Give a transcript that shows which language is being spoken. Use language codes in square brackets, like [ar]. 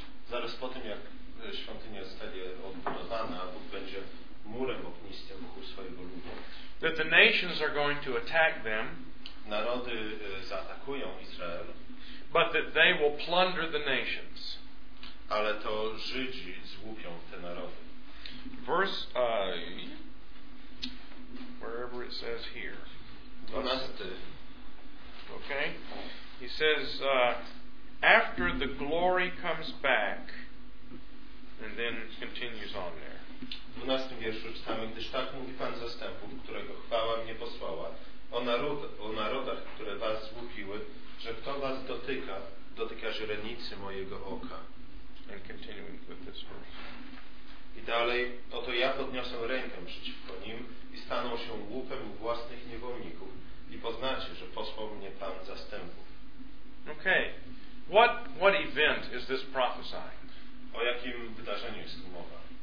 [pl] Zaraz po tym, jak świątynia zostanie odbudowana, Bóg będzie murem ognistym wokół swojego ludu. [en] That the nations are going to attack them. [pl] Narody zaatakują Izrael. [en] But that they will plunder the nations. [pl] Ale to Żydzi złupią te narody. [en] Verse wherever it says here. Okay. He says after the glory comes back, and then continues on there. [pl] W 12 wierszu czytamy, gdyż tak mówi Pan zastępów, którego chwała mnie posłała, o narodach, które was złupiły, że kto was dotyka, dotyka źrenicy mojego oka. [en] And continuing with this verse. [pl] I dalej, oto ja podniosę rękę przeciwko nim i staną się łupem własnych niewolników i poznacie, że posłał mnie Pan zastępów. [en] Okay. What event is this prophesying? [pl] O jakim wydarzeniu jest tu mowa?